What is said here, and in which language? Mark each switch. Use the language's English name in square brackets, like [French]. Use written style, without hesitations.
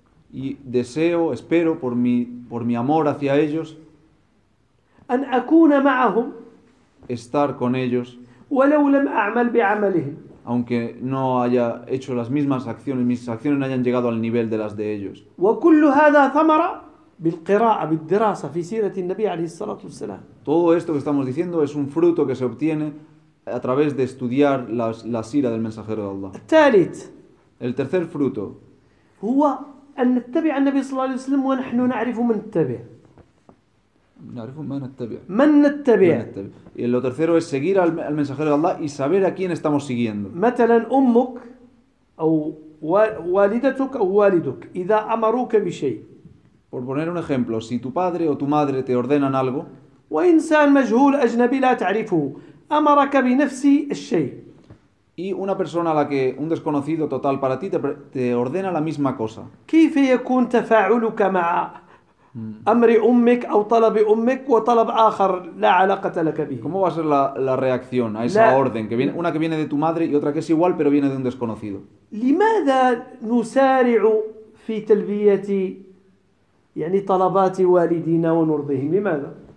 [Spanish] Y deseo, espero por mi amor hacia ellos [Arabic] أن أكون معهم [Spanish] estar con ellos [Arabic] ولو لم أعمل بعملهم [Spanish] aunque no haya hecho las mismas acciones, mis acciones no hayan llegado al nivel de las de ellos. [Arabic] وكل هذا ثمرة بالقراءة بالدراسة في سيرة النبي عليه الصلاة والسلام. [Spanish] Todo esto que estamos diciendo es un fruto que se obtiene a través de estudiar la sira del mensajero de Allah. [Arabic] الثالث [Spanish] el tercer fruto [Arabic] هو أن نتبع النبي صلى الله عليه وسلم ونحن نعرف من نتبع. من نتبع. [Spanish] Y lo tercero es seguir al mensajero de Allah y saber a quién estamos siguiendo. [Arabic] مثلا أمك أو والدتك أو والدك إذا أمروك بشيء. [Spanish] Por poner un ejemplo, si tu padre o tu madre te ordenan algo. [Arabic] وإنسان مجهول أجنبي لا تعرفه أمرك بنفس الشيء. [Spanish] Y una persona a la que un desconocido total para ti te ordena la misma cosa. [Arabic] كيف يكون تفاعلك مع أمر أمك أو طلب أمك وطلب آخر لا علاقة لك به. [Spanish] ¿Cómo va a ser la reacción a esa orden que viene, una que viene de tu madre y otra que es igual pero viene de un desconocido? [Arabic] لماذا نسارع في تلبية يعني طلبات والدينا ونرضيهم لماذا؟